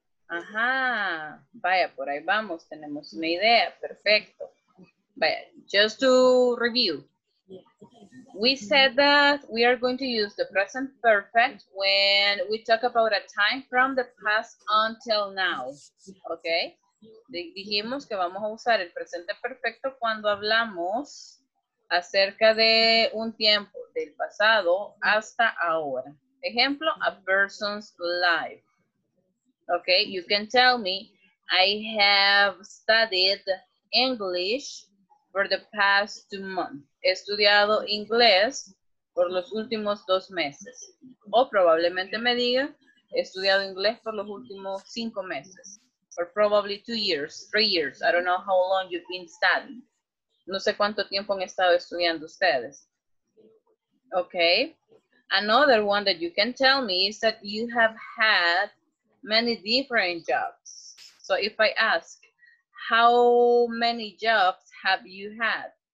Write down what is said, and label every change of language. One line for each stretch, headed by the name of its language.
Spanish: Ajá. Vaya, por ahí vamos. Tenemos una idea. Perfecto.
English: Vaya, just to review. We said that we are going to use the present perfect when we talk about a time from the past until now. Okay.
Spanish: Dijimos que vamos a usar el presente perfecto cuando hablamos acerca de un tiempo del pasado hasta ahora.
English: Ejemplo, a person's life. Okay, you can tell me, I have studied English for the past 2 months.
Spanish: He estudiado inglés por los últimos 2 meses. O probablemente me diga, he estudiado inglés por los últimos 5 meses.
English: Or probably 2 years, 3 years. I don't know how long you've been studying.
Spanish: No sé cuánto tiempo han estado estudiando ustedes.
English: Okay. Another one that you can tell me is that you have had many different jobs. So if I ask, how many jobs have you had?